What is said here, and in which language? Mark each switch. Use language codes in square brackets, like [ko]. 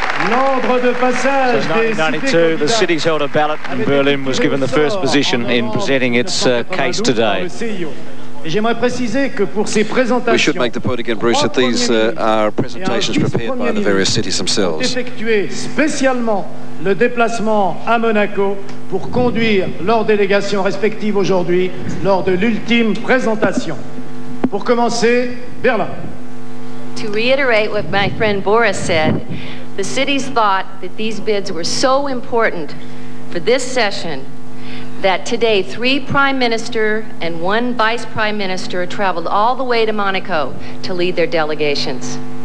[fr] L'ordre de passage. [en] So 1992, the city's held a ballot and Berlin was given the first position in presenting its case today. We should make the point again, Bruce, that these are presentations prepared by the various cities themselves. [fr] Effectuer spécialement le déplacement à Monaco pour conduire leurs délégations respectives aujourd'hui lors de l'ultime présentation. Pour commencer, Berlin. [en] To reiterate what my friend Boris said, the cities thought that these bids were so important for this session that today three prime minister and one vice prime minister traveled all the way to Monaco to lead their delegations.